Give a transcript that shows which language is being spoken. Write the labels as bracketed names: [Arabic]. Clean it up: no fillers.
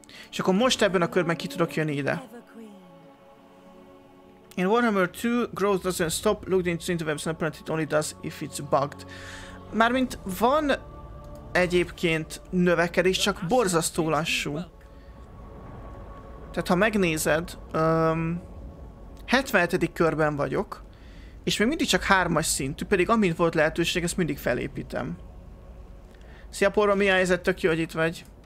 [Hungarian] És akkor most ebben a körben ki tudok jönni ide. [English] In Warhammer 2, growth doesn't stop, looked into webs and apparently it only does if it's bugged. [Hungarian] Mármint van egyébként növekedés, csak borzasztó lassú. Tehát ha megnézed, 77. körben vagyok, és még mindig csak 3-as szintű, pedig amint volt lehetőség, ezt mindig felépítem. Szia Porva, mi a helyzet? Tök jó, hogy itt vagy.